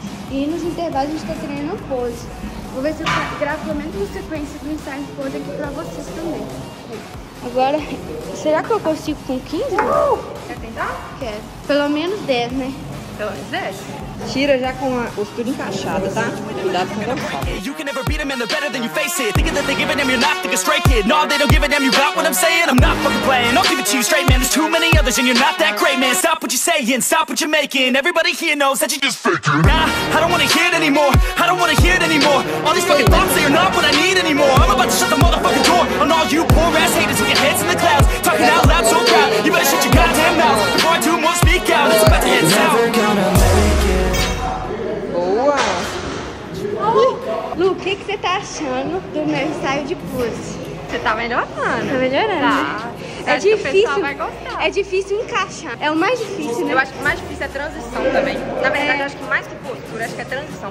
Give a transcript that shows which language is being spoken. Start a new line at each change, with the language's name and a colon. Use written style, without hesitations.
Portuguese: E nos intervalos a gente tá treinando pose. Vou ver se eu gravo pelo menos uma sequência do ensaio todo aqui pra vocês também. Agora, será que eu consigo com 15? Quer tentar? Quero. Pelo menos 10, né? Pelo menos 10. Tira já com a postura encaixada, tá? Cuidado com a minha.
English: You can never beat them and they're better than you face it. Thinking that they give a damn, you're not thinking straight, kid. No, they don't give a damn, you got what I'm saying. I'm not fucking playing, I'll give it to you straight, man. There's too many others and you're not that great, man. Stop what you're saying, stop what you're making. Everybody here knows that you're just faking. Nah, I don't wanna hear it anymore. I don't wanna hear it anymore. All these fucking thoughts say you're not what I need anymore. I'm about to shut the motherfucking door on all you poor ass haters with your heads in the clouds. Talking out loud so proud, you better shut your goddamn mouth. Before I do more, speak out, it's about to head south.
Portuguese: Lu, o que você tá achando do meu ensaio de pose? Você tá melhorando. Tá melhorando. Tá. É difícil. É difícil encaixar. É o mais difícil, né? Eu acho que o mais difícil é a transição também. Na verdade, eu acho que mais que postura, acho que é transição.